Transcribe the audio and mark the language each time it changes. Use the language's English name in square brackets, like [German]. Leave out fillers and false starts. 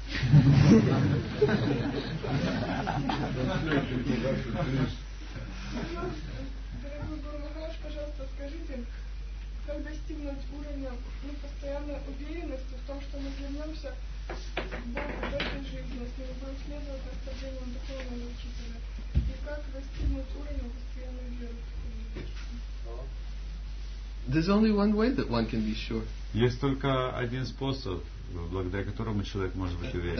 [Russian] Дорогой Гуру Махарадж, пожалуйста, скажите, как достигнуть уровня постоянной уверенности в том, что мы вернемся к Богу в этой жизни, если мы будем следовать наставлениям духовного учителя? И как достигнуть уровня постоянной веры? [English] There's only one way that one can be sure. [Russian] Есть только один способ, благодаря которому человек может быть уверен.